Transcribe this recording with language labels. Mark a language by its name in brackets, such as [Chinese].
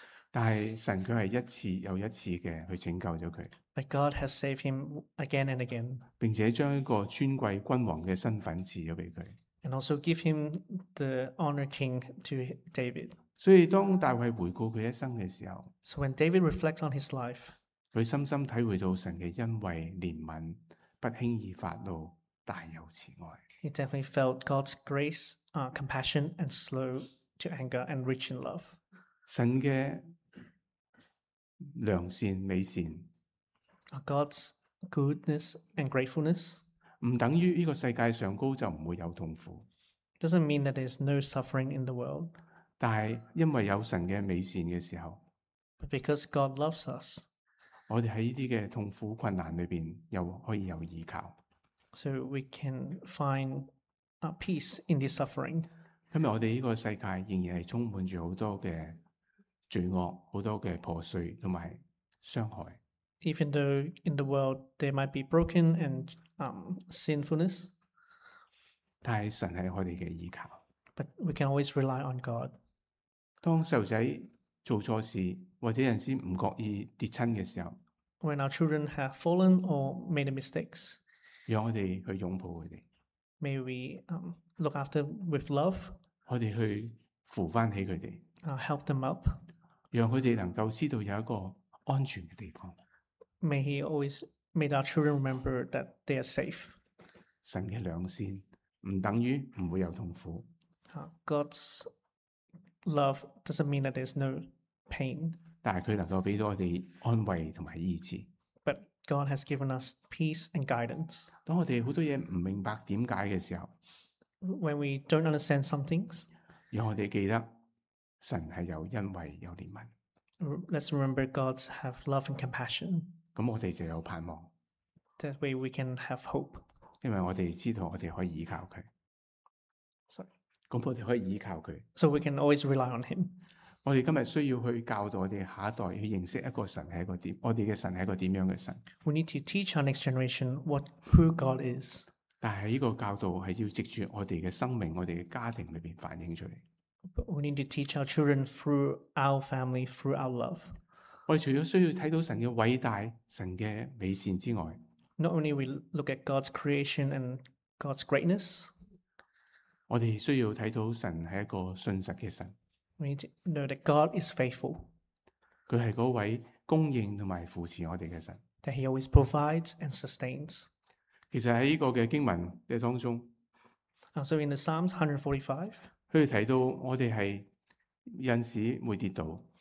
[Chinese] 但是神却是一次又一次的去拯救了他。 [English] But God has saved him again and again. [Chinese] 并且将一个尊贵君王的身份赐了给他。 [English] And also give him the honor king to David. [Chinese] 所以当大卫回顾他一生的时候， [English] So when David reflects on his life, [Chinese] 他深深体会到神的恩惠、怜悯、不轻易发怒、大有慈爱。 [English] He definitely felt God's grace, compassion and slow to anger and rich in love. [Chinese] 神的良善、美善， [English] God's goodness and gratefulness， [Chinese] 不等于这个世界上高就不会有痛苦， [English] doesn't mean that there's no suffering in the world， [Chinese] 但是因为有神的美善的时候， [English] But because God loves us， [Chinese] 我们在这些痛苦困难里面又可以有依靠， [English] So we can find peace in this suffering。 [Chinese] 因为我们这个世界仍然是充满着很多的罪恶，很多的破碎和伤害。 [English] Even though in the world there might be broken and sinfulness, [Chinese] 但是神是我们的依靠。 [English] But we can always rely on God. [Chinese] 当小孩做错事，或者有时不小心跌倒的时候， [English] When our children have fallen or made mistakes, [Chinese] 让我们去拥抱他们。 [English] May we look after with love, [Chinese] 我们去扶翻起他们。 [English] Help them up. [Chinese] 让他们能够知道有一个安全的地方。 [English] May he always make our children remember that they are safe. [Chinese] 神的良善不等于不会有痛苦。 [English] God's love doesn't mean that there's no pain. [Chinese] 但是他能够给到我们安慰和医治。 [English] But God has given us peace and guidance. [Chinese] 当我们很多事不明白为什么的时候， [English] When we don't understand some things, [Chinese] 让我们记得神是有恩惠有怜悯。 [English] Let's remember God have love and compassion. [Chinese] 那我们就有盼望。 [English] That way we can have hope. [Chinese] 因为我们知道我们可以依靠他。 [English] Sorry. [Chinese] 那我们可以依靠他。 [English] So we can always rely on him. [Chinese] 我们今天需要去教导我们下一代去认识一个神是一个点，我们的神是一个怎样的神。 [English] We need to teach our next generation who God is. [Chinese] 但是这个教导是要藉着我们的生命，我们的家庭里面反映出来。 [English] But we need to teach our children through our family, through our love. [Chinese] 我们除了需要看到神的伟大、神的美善之外， [English] Not only we look at God's creation and God's greatness, [Chinese] 我们需要看到神是一个信实的神。 [English] We need to know that God is faithful. [Chinese] 他是那位供应和扶持我们的神。 [English] That he always provides and sustains. [Chinese] 其实在这个经文的当中， [English] So in the Psalms 145, [Chinese] 他提到我们是有时会跌倒，